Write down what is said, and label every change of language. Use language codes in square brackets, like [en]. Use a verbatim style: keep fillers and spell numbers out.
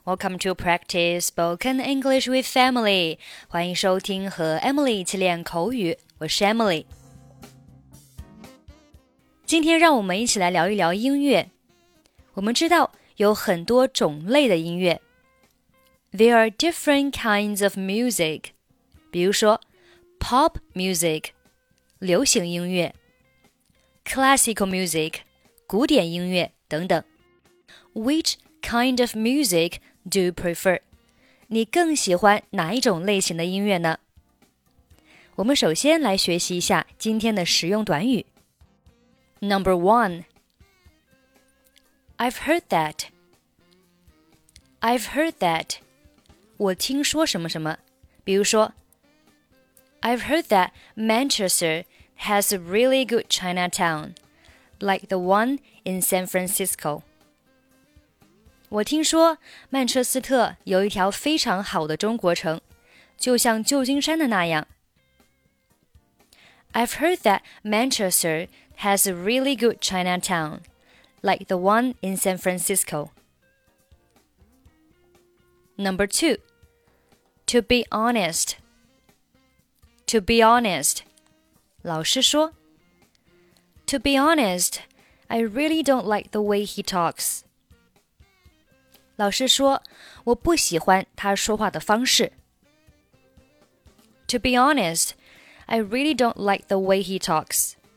[en] Welcome to Practice Spoken English with Family. [zh] 欢迎收听和 Emily 一起练口语，我是 Emily。今天让我们一起来聊一聊音乐。我们知道有很多种类的音乐。 [en] There are different kinds of music. [zh] 比如说 pop music, 流行音乐 classical music, 古典音乐等等。 [en] Which kind of music do you prefer? [zh] 你更喜欢哪一种类型的音乐呢？我们首先来学习一下今天的实用短语。 [en] Number one, I've heard that. I've heard that. [zh] 我听说什么什么。比如说 [en] I've heard that Manchester has a really good Chinatown, like the one in San Francisco. [zh] 我听说曼彻斯特有一条非常好的中国城，就像旧金山的那样。 [en] I've heard that Manchester has a really good Chinatown, like the one in San Francisco. Number two, to be honest. To be honest, [zh] 老师说 [en] To be honest, I really don't like the way he talks. [zh] 老师说，我不喜欢他说话的方式。 [en] To be honest, I really don't like the way he talks.